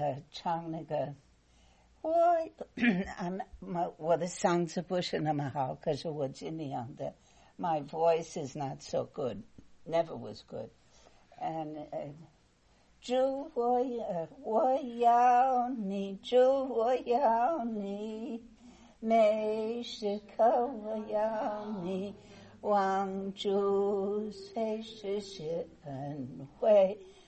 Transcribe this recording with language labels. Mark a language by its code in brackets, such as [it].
[zh] 唱那个，我俺my我的嗓子不是那么好，可是我尽量的。 [en] My voice is not so good, never was good. [zh] And 主我要我要你，主我要你，每时刻我要你，望主随时是恩惠。